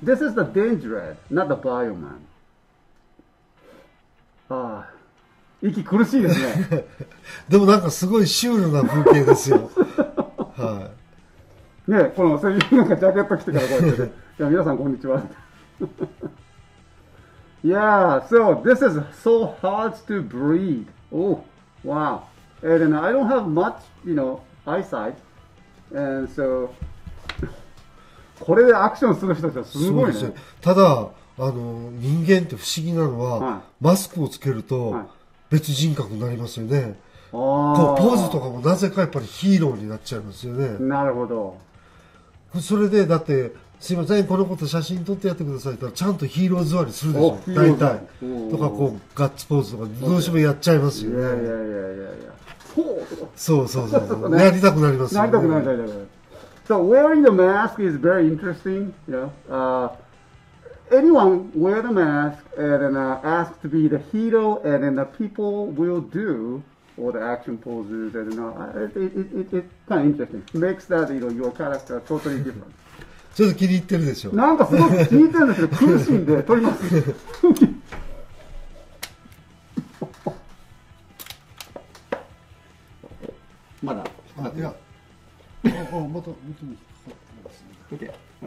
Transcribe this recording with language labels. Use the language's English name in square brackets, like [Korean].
[English] This is the Denji Red, not the Bioman. [Japanese] ああ、息苦しいですね。でもなんかすごいシュールな風景ですよ。はい、ね、この、そういうなんかジャケット着てからこうやって、じゃあ皆さんこんにちは。 [English] Yeah, so this is so hard to breathe. Oh, wow. And then I don't have much, you know, eyesight. And so, [Japanese] これでアクションする人たちはすごいね。そうですよ。ただあの人間って不思議なのは、はい、マスクをつけると別人格になりますよね、はい、こうポーズとかもなぜかやっぱりヒーローになっちゃいますよね。なるほど。それでだってすいません、このこと写真撮ってやってくださいとちゃんとヒーロー座りするでしょ、大体とかこうガッツポーズとかどうしてもやっちゃいますよね。そうそうそう、ね、なりたくなりますよ、ね、なりたくなりたい、なりたい。 [English] So wearing the mask is very interesting, you know. Anyone wear the mask and then, ask to be the hero and then the people will do all the action poses and then, it's kind of interesting. Makes that, you know, your character totally different. [Japanese] ちょっと気に入ってるでしょ。なんかすごく気に入ってるんですけど苦しいんで撮ります。まだ。あ、いや。また元に引っかかってますね。OK。